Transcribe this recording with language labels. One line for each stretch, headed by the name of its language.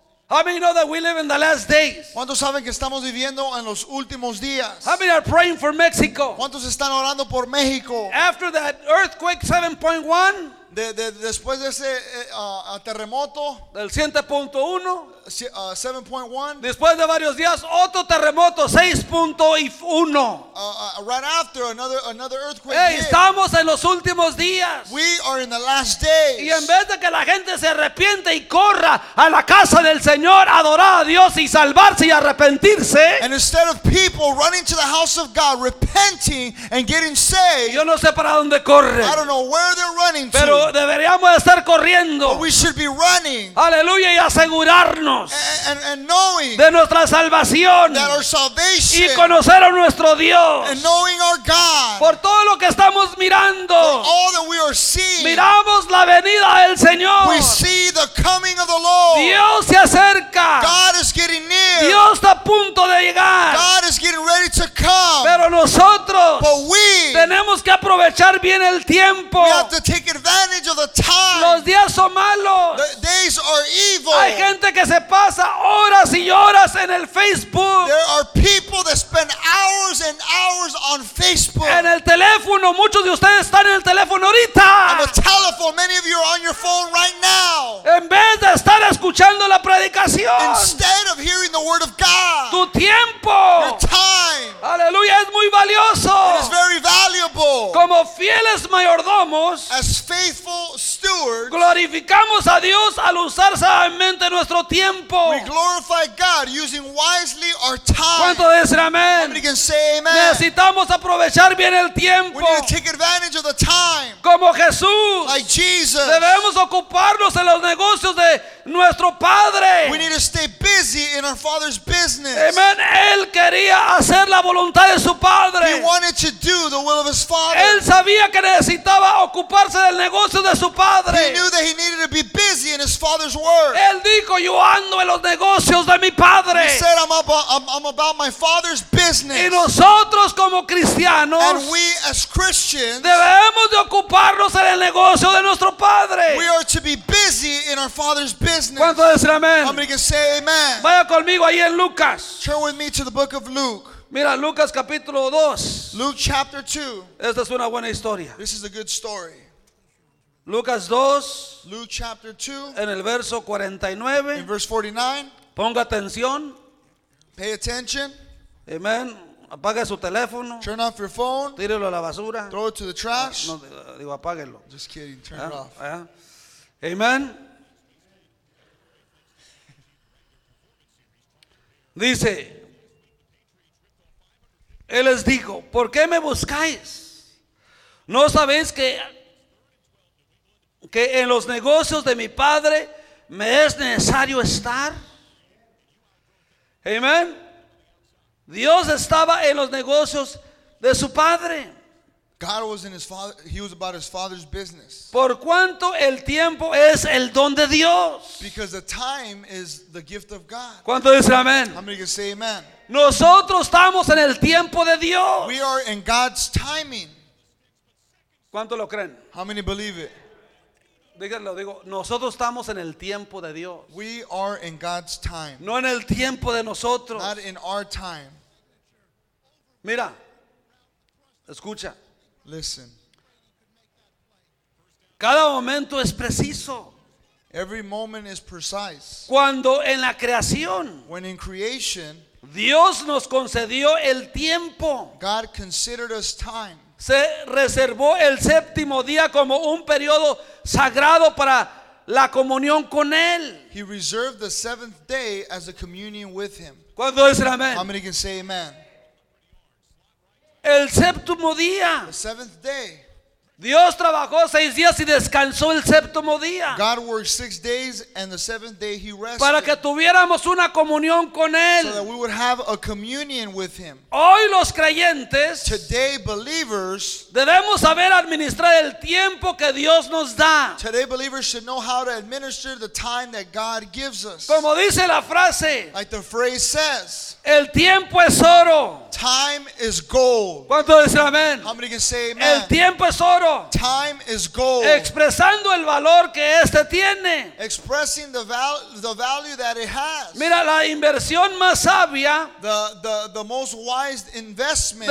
English: How many know that we live in the last days?
Spanish: ¿Cuántos saben que estamos viviendo en los últimos días?
English: How many are praying for Mexico?
Spanish: ¿Cuántos están orando por México?
English: After that earthquake 7.1,
Spanish: después de ese terremoto del 7.1, 7.1, después de varios días otro terremoto 6.1.
English: Right after another earthquake.
Spanish: Hey, estamos en los últimos días.
English: We are in the last days.
Spanish: Y en vez de que la gente se arrepiente y corra a la casa del Señor, adorar a Dios y salvarse y arrepentirse.
English: And instead of people running to the house of God, repenting and getting saved.
Spanish: Yo no sé para dónde corre.
English: I don't know where they're running
Spanish: pero
English: to.
Spanish: Pero deberíamos estar corriendo.
English: But we should be running.
Spanish: Aleluya, y asegurarnos.
English: And knowing
Spanish: de nuestra salvación
English: that our salvation,
Spanish: y conocer a nuestro Dios,
English: and knowing our God,
Spanish: por todo lo que estamos mirando,
English: for all that we are seeing,
Spanish: miramos la venida del Señor.
English: We see the coming of the Lord.
Spanish: Dios se acerca.
English: God is getting near.
Spanish: Dios está a punto de llegar.
English: God is getting ready to come.
Spanish: Pero nosotros,
English: but we,
Spanish: tenemos que aprovechar bien el tiempo.
English: We have to take advantage of the time.
Spanish: Los días son malos.
English: The days are evil.
Spanish: Hay gente que se pasa horas y horas en el Facebook.
English: There are people that spend hours and hours on Facebook.
Spanish: En el teléfono, muchos de ustedes están en el teléfono ahorita.
English: On the telephone, many of you are on your phone right now.
Spanish: En vez de estar escuchando la predicación,
English: instead of hearing the word of God,
Spanish: tu tiempo,
English: your time,
Spanish: aleluya, es muy valioso.
English: It is very valuable.
Spanish: Como fieles mayordomos,
English: as faithful stewards,
Spanish: glorificamos a Dios al usar sabiamente nuestro tiempo.
English: We glorify God using wisely our time.
Spanish: ¿Cuánto dicen amén?
English: Somebody can say amen.
Spanish: Necesitamos aprovechar bien el tiempo.
English: We need to take advantage of the time.
Spanish: Como Jesús.
English: Like Jesus.
Spanish: Debemos ocuparnos en los negocios de nuestro Padre.
English: We need to stay busy in our Father's business. Amen.
Spanish: Él quería hacer la voluntad de su Padre.
English: He wanted to do the will of his Father.
Spanish: Él sabía que necesitaba ocuparse del negocio de su Padre.
English: He knew that he needed to be busy in his Father's work.
Spanish: Él dijo, yo ando en los negocios de mi Padre.
English: He said, I'm about my Father's business.
Spanish: Y nosotros como cristianos,
English: and we as Christians,
Spanish: debemos de ocuparnos en el negocio de nuestro Padre.
English: We are to be busy in our Father's business.
Spanish: ¿Cuánto decir amén?
English: How many can say amen?
Spanish: Vaya conmigo ahí en Lucas.
English: Turn with me to the book of Luke.
Spanish: Mira, Lucas capítulo 2.
English: Luke chapter 2.
Spanish: Esta es una buena historia.
English: This is a good story.
Spanish: Lucas 2,
English: Luke chapter 2,
Spanish: en el verso 49,
English: in verse 49,
Spanish: ponga atención,
English: pay attention,
Spanish: amen, apague su teléfono,
English: turn off your phone,
Spanish: tírelo a la basura,
English: throw it to the trash,
Spanish: no, digo apáguelo,
English: just kidding, turn it off,
Spanish: amen, dice, él les dijo, ¿por qué me buscáis? ¿No sabéis que en los negocios de mi Padre me es necesario estar? Amén. Dios estaba en los negocios de su Padre.
English: God was in his father, he was about his Father's business.
Spanish: Por cuanto el tiempo es el don de Dios.
English: Because the time is the gift of God.
Spanish: ¿Cuánto dice amén?
English: How many can say amen?
Spanish: Nosotros estamos en el tiempo de Dios.
English: We are in God's timing.
Spanish: ¿Cuánto lo creen?
English: How many believe it?
Spanish: Díganlo, digo, nosotros estamos en el tiempo de Dios.
English: We are in God's time.
Spanish: No en el tiempo de nosotros.
English: Not in our time.
Spanish: Mira. Escucha.
English: Listen.
Spanish: Cada momento es preciso.
English: Every moment is precise.
Spanish: Cuando en la creación,
English: when in creation,
Spanish: Dios nos concedió el tiempo.
English: God considered us time.
Spanish: Se reservó el séptimo día como un periodo sagrado para la comunión con Él.
English: He reserved the seventh day as a communion with Him.
Spanish: ¿Cuánto dicen amén?
English: How many can say amen?
Spanish: El séptimo día.
English: The seventh day.
Spanish: Dios trabajó seis días y descansó el séptimo día.
English: God worked six days and the seventh day He rested.
Spanish: Para que tuviéramos una comunión con Él.
English: So that we would have a communion with Him.
Spanish: Hoy los creyentes,
English: today believers,
Spanish: debemos saber administrar el tiempo que Dios nos da.
English: Today believers should know how to administer the time that God gives us.
Spanish: Como dice la frase,
English: like the phrase says,
Spanish: el tiempo es oro.
English: Time is gold.
Spanish: ¿Cuánto dicen amén?
English: How many can say amen?
Spanish: El tiempo es oro. oro.
English: Time is gold.
Spanish: Expresando el valor que este tiene.
English: Expressing the value that it has.
Spanish: Mira, la inversión más sabia
English: the most wise investment